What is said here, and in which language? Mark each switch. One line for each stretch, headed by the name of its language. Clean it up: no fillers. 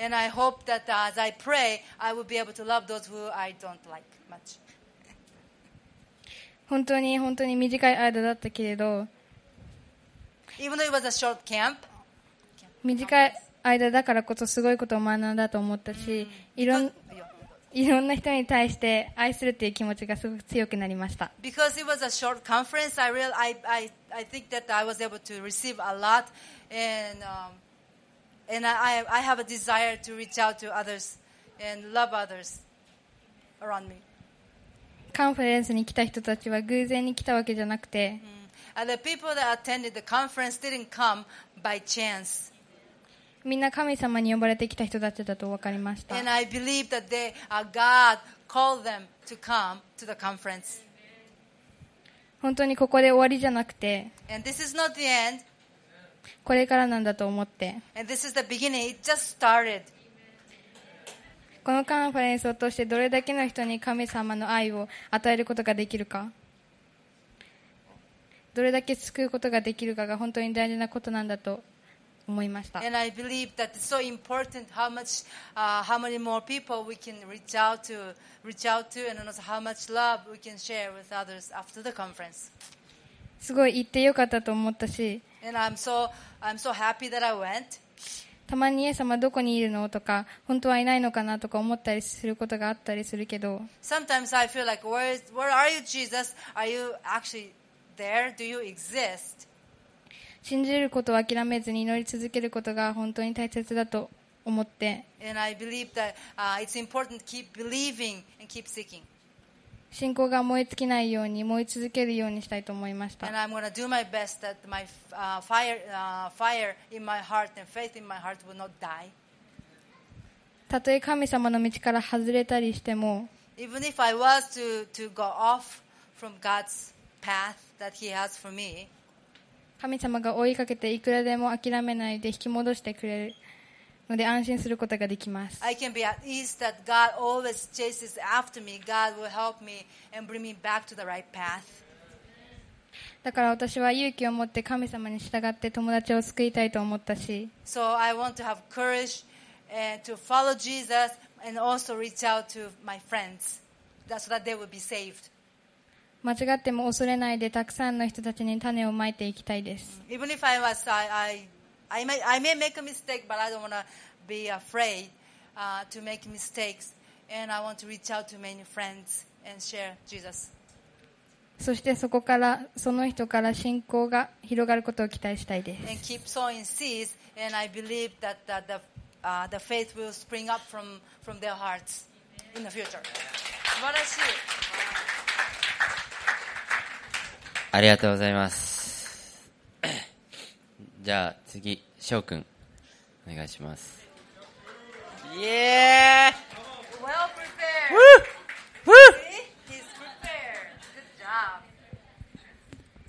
English: And I hope that as I pray, I will be able to love those who I don't like much.
Japanese: 本当に本当に短い間だったけれど、
English: Even though it was a short camp.
Japanese: 短い間だからこそすごいことを学んだと思ったし、いろんな人に対して愛するという気持ちがすごく強くなりました。
English: Because it was a short conference, I think that I was able to receive a lot, and I have a desire to reach out to others and love others around me.
Japanese: カンファレンスに来た人たちは偶然に来たわけじゃなくて、
English: The people that attended the conference didn't come by chance.
Japanese: みんな神様に呼ばれてきた人たちだと分かりました。
English: And I believe that they, God called them to come to the conference.
Japanese: 本当にここで終わりじゃなくて、
English: And this is not the end.
Japanese: これからなんだと思って、
English: And this is the beginning. It just started.
Japanese: このカンファレンスを通してどれだけの人に神様の愛を与えることができるか、どれだけ救うことができるかが本当に大事なことなんだと思いました。
English: And I believe that it's so important how much, how many more people we can reach out to, and also how much love we can share with others after the conference.
Japanese: すごい行ってよかったと思ったし。
English: And I'm so happy that I went.
Japanese: たまにイエス様どこにいるのとか、本当はいないのかなとか思ったりすることがあったりするけど。
English: Sometimes I feel like, where are you, Jesus? Are you actually there? Do you exist?
Japanese: 信じることを諦めずに祈り続けることが本当に大切だと思って、
English: And I believe that, it's important to keep believing and keep seeking.
Japanese: 信仰が燃え尽きないように燃え続けるようにしたいと思いました。
English: And I'm going to do my best that my fire in my heart and faith in my heart will not die.
Japanese: たとえ神様の道から外れたりしても、
English: Even if I was to go off from God's path that He has for me,
Japanese: 神様が追いかけていくらでも諦めないで引き戻してくれるので安心することができます。
English: I can be at ease that God always chases after me. God will help me and bring me back to the right path.
Japanese: だから私は勇気を持って神様に従って友達を救いたいと思ったし。
English: So I want to have courage to follow Jesus and also reach out to my friends so that they will be saved.
Japanese: 間違っても恐れないでたくさんの人たちに種をまいていきたいです。
English: Even if I was I may make a mistake, but I don't want to be afraid to make mistakes, and I want to reach out to many friends and share Jesus.
Japanese: そしてそこからその人から信仰が広がることを期待したいです。
English: And keep sowing seeds, and I believe that the faith will spring up from their hearts in the future.
Japanese: 素晴らしい。ありがとうございます。じゃあ次翔くんお願いします。イエーイ、
English: Well prepared. Woo! Woo! See? He's prepared. Good job.